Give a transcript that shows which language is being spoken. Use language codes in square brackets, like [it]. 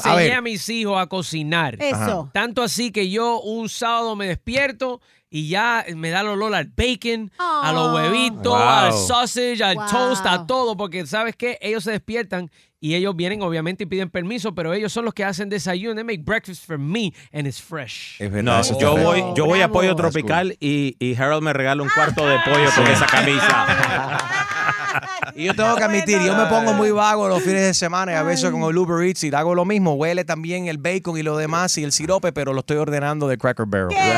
[es] Yo le enseñé a mis hijos a cocinar. Eso. Ajá. Tanto así que yo un sábado me despierto y ya me da el olor al bacon, a los huevitos, al sausage, al toast, a todo. Porque, ¿sabes qué? Ellos se despiertan y ellos vienen, obviamente, y piden permiso, pero ellos son los que hacen desayuno. [en] They make breakfast for me and it's fresh. [es] Es verdad. No, yo voy a Pollo Tropical y Harold me regala un cuarto de pollo con esa camisa. Y yo tengo que admitir, yo me pongo muy vago los fines de semana y a veces con el Uber Eats y hago lo mismo. Huele también el bacon y lo demás y el sirope, pero lo estoy ordenando de Cracker Barrel.